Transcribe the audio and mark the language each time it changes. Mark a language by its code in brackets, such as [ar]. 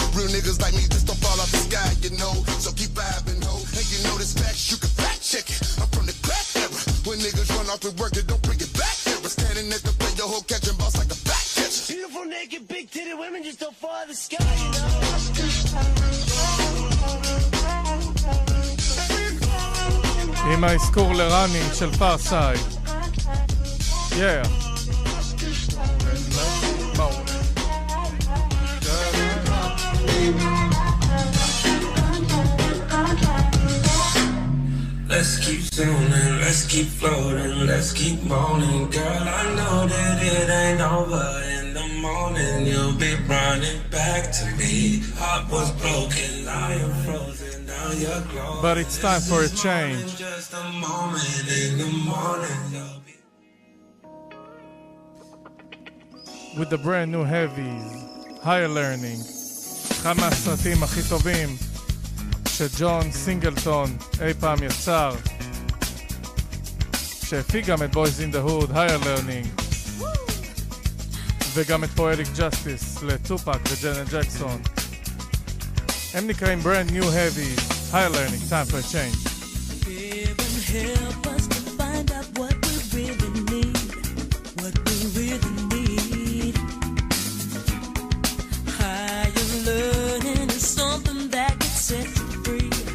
[en] Real niggas like me just don't fall off the sky, you know. So keep vibing, ho. Hey, you know this facts, you can fact check it. I'm from the crack era. When niggas run off and work it, don't bring it back here. Standing at the plate, your hoe catching boss like a back catcher. Beautiful naked, big titty women just don't fall out the sky, you know. [he] עם האזכור לראנינג של פארסייד. יאה. [en] Let's keep zooming, let's keep floating, let's keep moaning. Girl, I know that it ain't over. In the morning, you'll be running back to me. Heart was broken, I am frozen. But it's time for a change. With the brand new heavies, Higher Learning. [he] כמה הסרטים הכי טובים שג'ון סינגלטון אי פעם יצר, שהפיק גם את Boys in the Hood, Higher Learning, וגם את Poetic Justice לטופק וג'נט ג'קסון. [en] הם נקראים brand new heavies. Higher Learning, time for a change. Heaven help us to find out what we really need. What we really need. Higher learning is something that can set you free.